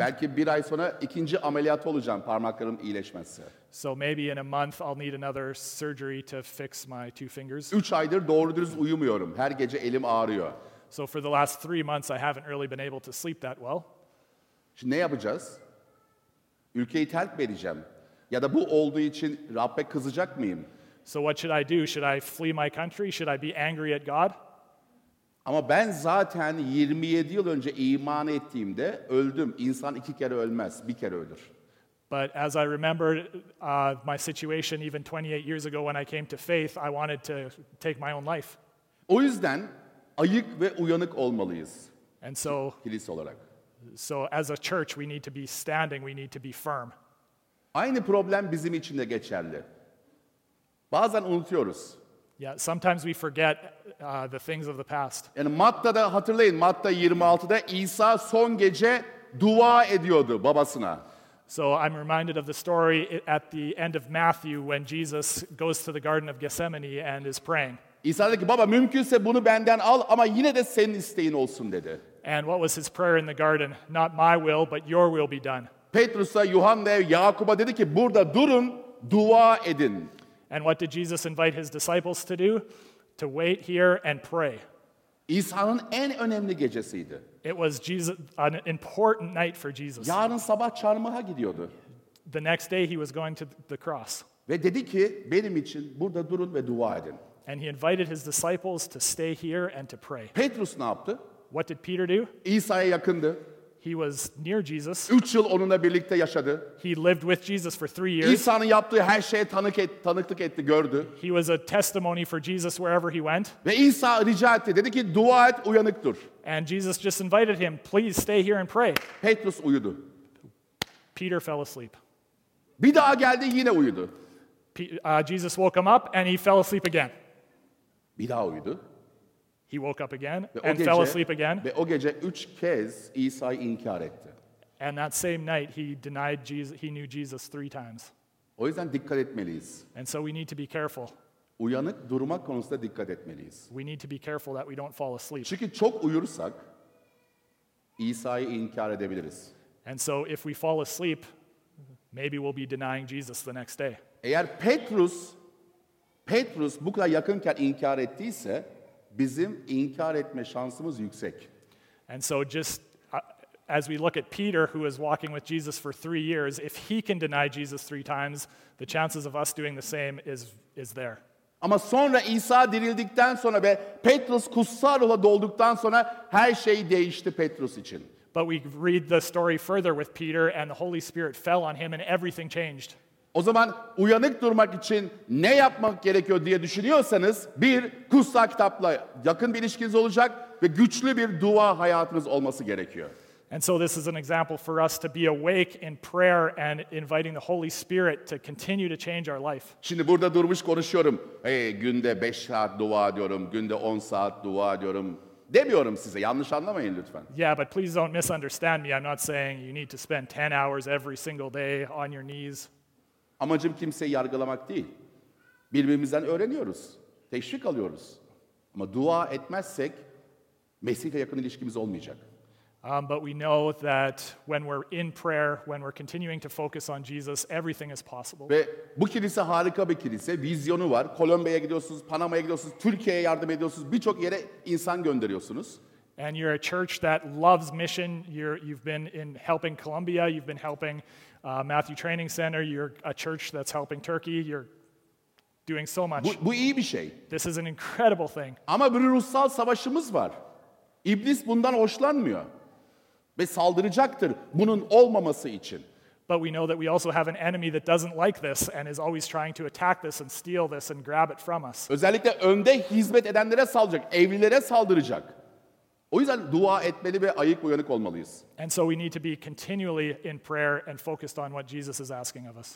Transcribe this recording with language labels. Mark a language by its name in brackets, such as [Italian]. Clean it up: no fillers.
[Turkish] Belki bir ay sonra ikinci ameliyat olacağım, parmaklarım iyileşmezse. [English] So maybe in a month I'll need another surgery to fix my 2 fingers. [Turkish] 3 aydır doğru dürüst uyumuyorum, her gece elim ağrıyor. [English] So for the last 3 months I haven't really been able to sleep that well. [Turkish] Şimdi ne yapacağız? Ülkeyi terk mi edeceğim? Ya da bu olduğu için Rab'be kızacak mıyım? [English] So what should I do? Should I flee my country? Should I be angry at God? [Turkish] Ama ben zaten 27 yıl önce iman ettiğimde öldüm. İnsan 2 kere ölmez, 1 kere ölür. [English] But as I remember my situation even 28 years ago when I came to faith, I wanted to take my own life. [Turkish] O yüzden ayık ve uyanık olmalıyız. [English] And so [Turkish] kilise olarak. [English] So as a church we need to be standing, we need to be firm. [Turkish] Aynı problem bizim için de geçerli. Bazen unutuyoruz. [English] Yeah, sometimes we forget the things of the past. [Turkish] Yani Matta'da hatırlayın, Matta 26'da İsa son gece dua ediyordu babasına. [English] So I'm reminded of the story at the end of Matthew when Jesus goes to the Garden of Gethsemane and is praying. [Turkish] İsa dedi ki, baba mümkünse bunu benden al ama yine de senin isteğin olsun dedi. [English] And what was his prayer in the garden? Not my will, but your will be done. [Turkish] Petrus'a, Yuhanna'ya, Yakub'a dedi ki burada durun, dua edin. [English] And what did Jesus invite his disciples to do? To wait here and pray. [Turkish] İsa'nın en önemli gecesiydi. [English] It was Jesus, an important night for Jesus. [Turkish] Yarın sabah çarmıha gidiyordu. [English] The next day he was going to the cross. [Turkish] Ve dedi ki benim için burada durun ve dua edin. [English] And he invited his disciples to stay here and to pray. [Turkish] Petrus ne yaptı? [English] What did Peter do? [Turkish] İsa'ya yakındı. [English] He was near Jesus. [Turkish] 3 yıl onunla birlikte yaşadı. [English] He lived with Jesus for 3 years. [Turkish] İsa'nın yaptığı her şeye tanıklık etti, gördü. [English] He was a testimony for Jesus wherever he went. [Turkish] Ve İsa rica etti. Dedi ki dua et, uyanık dur. [English] And Jesus just invited him, please stay here and pray. [Turkish] Petrus uyudu. [English] Peter fell asleep. [Turkish] Bir daha geldi, yine uyudu. [English] Jesus woke him up and he fell asleep again. [Turkish] Bir daha uyudu. [English] He woke up again and fell asleep again. [Turkish] Ve o gece 3 kez İsa'yı inkar etti. [English] And that same night he denied Jesus, he knew Jesus 3 times. [Turkish] O yüzden dikkat etmeliyiz. [English] And so we need to be careful. [Turkish] Uyanık durma konusunda dikkat etmeliyiz. [English] We need to be careful that we don't fall asleep. [Turkish] Çünkü çok uyursak İsa'yı inkar edebiliriz. [English] And so if we fall asleep, maybe we'll be denying Jesus the next day. [Turkish] Eğer Petrus bu kadar yakınken inkar ettiyse bizim inkar etme şansımız yüksek. [English] And so just as we look at Peter, who is walking with Jesus for 3 years, if he can deny Jesus 3 times, the chances of us doing the same is there. [Turkish] Ama sonra İsa dirildikten sonra ve Petrus kutsal ruhla dolduktan sonra her şey değişti Petrus için. [English] But we read the story further with Peter and the Holy Spirit fell on him and everything changed. [Turkish] O zaman uyanık durmak için ne yapmak gerekiyor diye düşünüyorsanız bir kutsal kitapla yakın bir ilişkiniz olacak ve güçlü bir dua hayatınız olması gerekiyor. [English] And so this is an example for us to be awake in prayer and inviting the Holy Spirit to continue to change our life. [Turkish] Şimdi burada durmuş konuşuyorum. Günde 5 saat dua diyorum, günde 10 saat dua diyorum. Demiyorum size, yanlış anlamayın lütfen. [English] Yeah, but please don't misunderstand me. I'm not saying you need to spend 10 hours every single day on your knees. [Turkish] Amacım kimseyi yargılamak değil. Birbirimizden öğreniyoruz, teşvik alıyoruz. Ama dua etmezsek Mesih'le yakın ilişkimiz olmayacak. [English] But we know that when we're in prayer, when we're continuing to focus on Jesus, everything is possible. [Turkish] Ve bu kilise harika bir kilise. Vizyonu var. Kolombiya'ya gidiyorsunuz, Panama'ya gidiyorsunuz, Türkiye'ye yardım ediyorsunuz, birçok yere insan gönderiyorsunuz. [English] And you're a church that loves mission. You've been in helping Colombia, you've been helping Matthew Training Center, you're a church that's helping Turkey, you're doing so much. [Turkish] Bu iyi bir şey. [English] This is an incredible thing. [Turkish] Ama bir ruhsal savaşımız var. İblis bundan hoşlanmıyor. Ve saldıracaktır bunun olmaması için. [English] But we know that we also have an enemy that doesn't like this and is always trying to attack this and steal this and grab it from us. [Turkish] Özellikle önde hizmet edenlere saldıracak, evlilere saldıracak. O yüzden dua etmeli ve ayık uyanık olmalıyız. [English] And so we need to be continually in prayer and focused on what Jesus is asking of us.